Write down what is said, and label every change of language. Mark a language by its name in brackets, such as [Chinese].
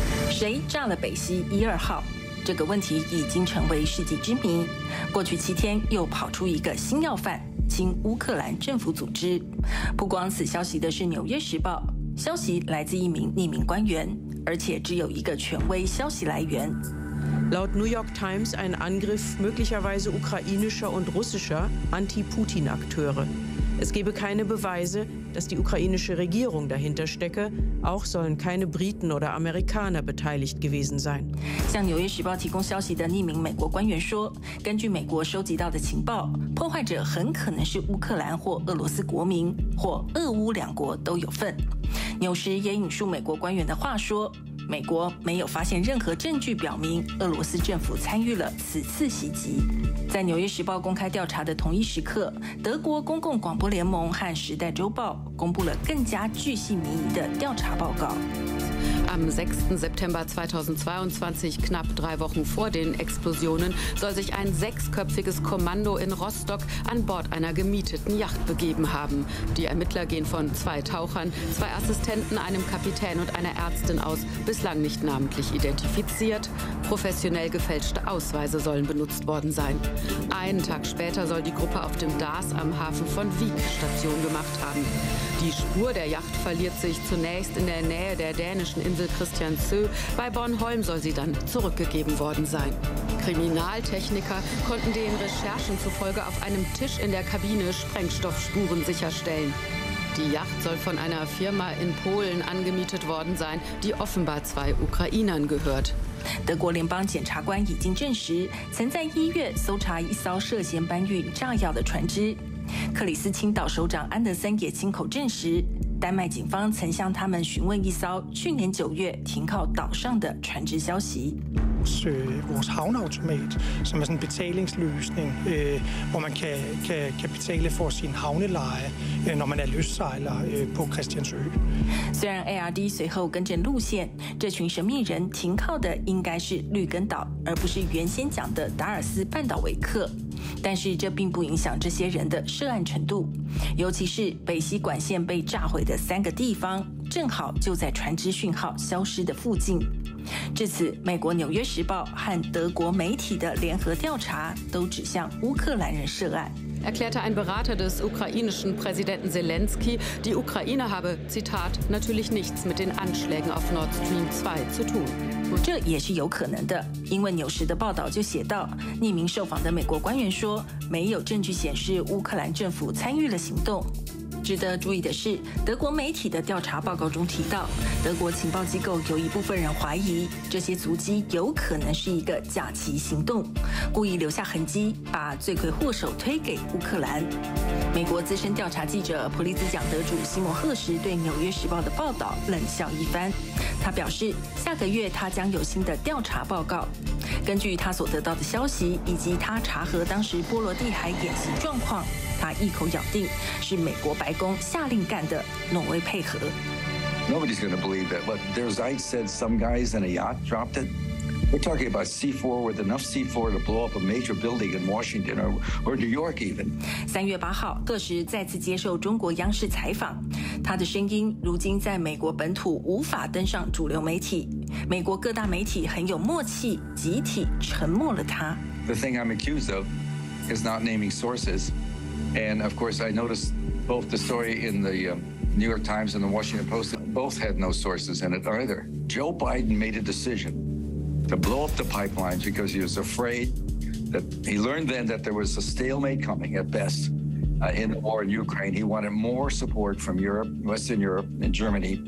[Chinese] 谁炸了北溪一二号？这个问题已经成为世纪之谜。过去七天又跑出一个新要犯，亲乌克兰政府组织。曝光此消息的是《纽约时报》，消息来自一名匿名官员，而且只有一个权威消息来源。 [German] Laut New York Times ein Angriff möglicherweise ukrainischer und russischer Anti-Putin-Akteure. Es gebe keine Beweise, dass die ukrainische Regierung dahinter stecke. Auch sollen keine Briten oder Amerikaner beteiligt gewesen sein. [Chinese] 向《纽约时报》提供消息的匿名美国官员说，根据美国收集到的情报，破坏者很可能是乌克兰或俄罗斯国民，或俄乌两国都有份。纽时也引述美国官员的话说，美国没有发现任何证据表明俄罗斯政府参与了此次袭击。在《纽约时报》公开调查的同一时刻，德国公共广播联盟和《时代周报》公布了更加具细迷疑的调查报告。 [German] Am 6. September 2022, knapp drei Wochen vor den Explosionen, soll sich ein sechsköpfiges Kommando in Rostock an Bord einer gemieteten Yacht begeben haben. Die Ermittler gehen von zwei Tauchern, zwei Assistenten, einem Kapitän und einer Ärztin aus, bislang nicht namentlich identifiziert. Professionell gefälschte Ausweise sollen benutzt worden sein. Einen Tag später soll die Gruppe auf dem Dars am Hafen von Wiek Station gemacht haben. Die Spur der Yacht verliert sich zunächst in der Nähe der dänischen Insel Christiansø. Bei Bornholm soll sie dann zurückgegeben worden sein. Kriminaltechniker konnten den Recherchen zufolge auf einem Tisch in der Kabine Sprengstoffspuren sicherstellen. Die Yacht soll von einer Firma in Polen angemietet worden sein, die offenbar zwei Ukrainern gehört. [Chinese] 德国联邦检察官已经证实，曾在一月搜查一艘涉嫌搬运炸药的船只。克里斯青岛首长安德森也亲口证实，丹麦警方曾向他们询问一艘去年九月停靠岛上的船只消息。 [Danish] 是 vores havneautomat, som er sådan en betalingsløsning, hvor man kan betale for sin havneleje, når man er løssejler på Christiansø. [Chinese] 虽然 ARD 随后更正路线，这群神秘人停靠的应该是绿根岛，而不是原先讲的达尔斯半岛维克。但是这并不影响这些人的涉案程度。尤其是北溪管线被炸毁的三个地方，正好就在船只讯号消失的附近。至此，美国《纽约时报》和德国媒体的联合调查都指向乌克兰人涉案。 [German] Erklärte ein Berater des ukrainischen Präsidenten Zelensky, die Ukraine habe, Zitat, natürlich nichts mit den Anschlägen auf Nord Stream 2 zu tun. [Chinese] 这也是有可能的，因为《纽时》的报道就写到，匿名受访的美国官员说，没有证据显示乌克兰政府参与了行动。值得注意的是，德国媒体的调查报告中提到，德国情报机构有一部分人怀疑这些足迹有可能是一个假旗行动，故意留下痕迹，把罪魁祸首推给乌克兰。美国资深调查记者普利兹奖得主西蒙赫什对《纽约时报》的报道冷笑一番，他表示下个月他将有新的调查报告。根据他所得到的消息以及他查核当时波罗的海演习状况，他一口咬定是美国白宫下令干的，挪威配合。 [English] Nobody's going to believe that. But Der Zeit said some guys in a yacht dropped it. We're talking about C4 with enough C4 to blow up a major building in Washington or New York even. [Chinese] 三月八号，赫什再次接受中国央视采访，他的声音如今在美国本土无法登上主流媒体。美国各大媒体很有默契，集体沉默了他。 [English] The thing I'm accused of is not naming sources. And of course, I noticed both the story in the New York Times and the Washington Post, both had no sources in it either. Joe Biden made a decision to blow up the pipelines because he was afraid that he learned then that there was a stalemate coming at best in the war in Ukraine. He wanted more support from Europe, Western Europe and Germany.